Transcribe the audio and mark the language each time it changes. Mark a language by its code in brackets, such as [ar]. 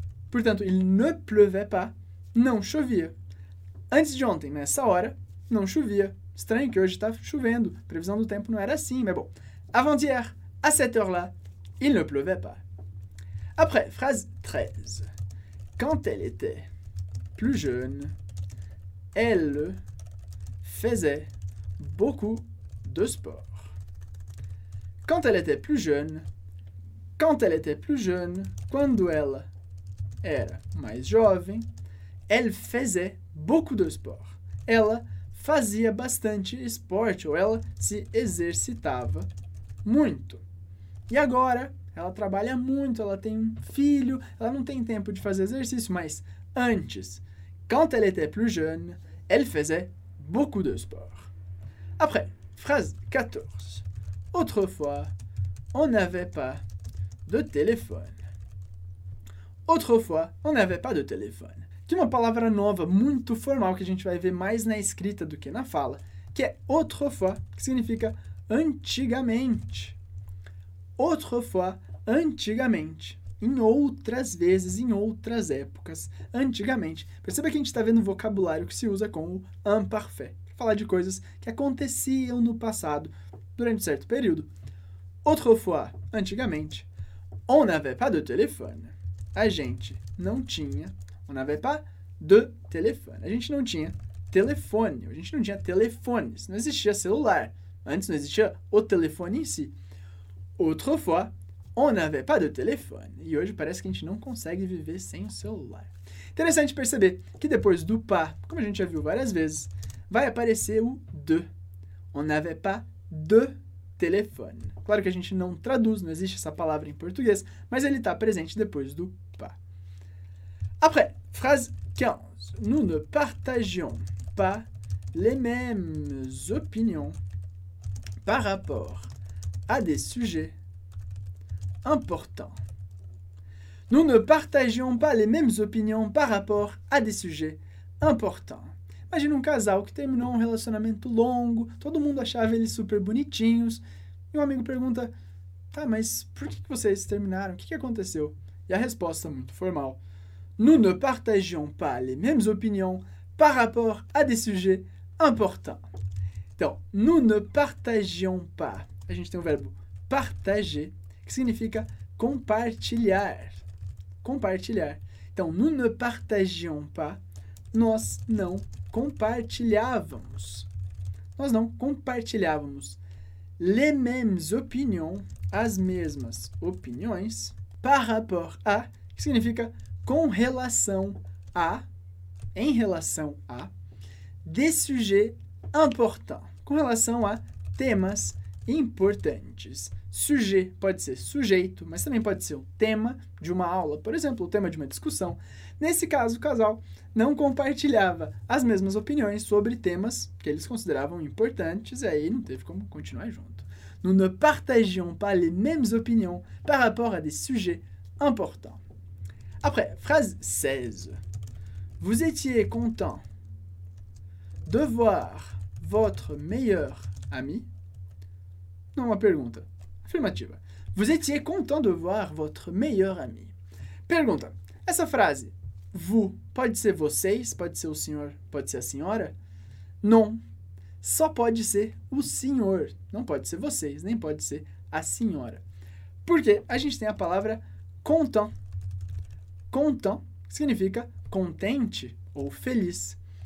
[pt] Portanto, [fr] il ne pleuvait pas, [pt] não chovia. Antes de ontem, nessa hora, não chovia. Estranho que hoje está chovendo. Previsão do tempo não era assim, mas bom. [fr] Avant-hier, à cette heure-là, il ne pleuvait pas. Après, phrase 13. Quand elle était plus jeune, elle faisait beaucoup de sport. Quand elle était plus jeune, quand elle était plus jeune, [pt] quando ela era mais jovem, [fr] elle faisait beaucoup de sport. [pt] Ela fazia bastante esporte, ou ela se exercitava muito. E agora, ela trabalha muito, ela tem um filho, ela não tem tempo de fazer exercício, mas antes, [fr] quand elle était plus jeune, elle faisait beaucoup de sport. Après, phrase 14. Autrefois, on n'avait pas de téléphone. Autrefois, on n'avait pas de téléphone. [pt] Que é uma palavra nova, muito formal, que a gente vai ver mais na escrita do que na fala, que é autrefois, que significa antigamente. [fr] Autrefois, [pt] antigamente. Em outras vezes, em outras épocas, antigamente. Perceba que a gente está vendo o vocabulário que se usa com o imparfait. Falar de coisas que aconteciam no passado, durante um certo período. [fr] Autrefois, [pt] antigamente, [fr] on n'avait pas de téléphone. [pt] A gente não tinha, [fr] on n'avait pas de téléphone. [pt] A gente não tinha telefone, a gente não tinha telefones. Não existia celular, antes não existia o telefone em si. Autrefois, on n'avait pas de téléphone. E hoje parece que a gente não consegue viver sem o celular. Interessante perceber que depois do pas, como a gente já viu várias vezes, vai aparecer o de. [fr] On n'avait pas de téléphone. [pt] Claro que a gente não traduz, não existe essa palavra em português, mas ele está presente depois do pas. [fr] Après, phrase 15. Nous ne partagions pas les mêmes opinions par rapport à des sujets importants. Nous ne partagions pas les mêmes opinions par rapport à des sujets importants. [pt] Imagina um casal que terminou um relacionamento longo, todo mundo achava eles super bonitinhos, e um amigo pergunta, tá, mas por que vocês terminaram? O que aconteceu? E a resposta, muito formal, [fr] nous ne partagions pas les mêmes opinions par rapport à des sujets importants. [pt] Então, [fr] nous ne partagions pas, [pt] a gente tem o verbo partager, que significa compartilhar, compartilhar. Então, [fr] nous ne partagions pas, [pt] nós não compartilhávamos. Nós não compartilhávamos [fr] les mêmes opinions, [pt] as mesmas opiniões, [fr] par rapport à, [pt] que significa com relação a, em relação a, [fr] des sujets importants, [pt] com relação a temas importantes. Sujet pode ser sujeito, mas também pode ser o tema de uma aula, por exemplo, o tema de uma discussão. Nesse caso, o casal não compartilhava as mesmas opiniões sobre temas que eles consideravam importantes, e aí não teve como continuar junto. [fr] Nous ne partagions pas les mêmes opinions par rapport à des sujets importants. Après, phrase 16. Vous étiez content de voir votre meilleur ami? [pt] Não, uma pergunta. Afirmativa. [fr] Vous étiez content de voir votre meilleur ami? [pt] Pergunta. Essa frase, vous, pode ser vocês, pode ser o senhor, pode ser a senhora? [fr] Non. [pt] Só pode ser o senhor. Não pode ser vocês, nem pode ser a senhora. Porque a gente tem a palavra content. Content significa contente ou feliz.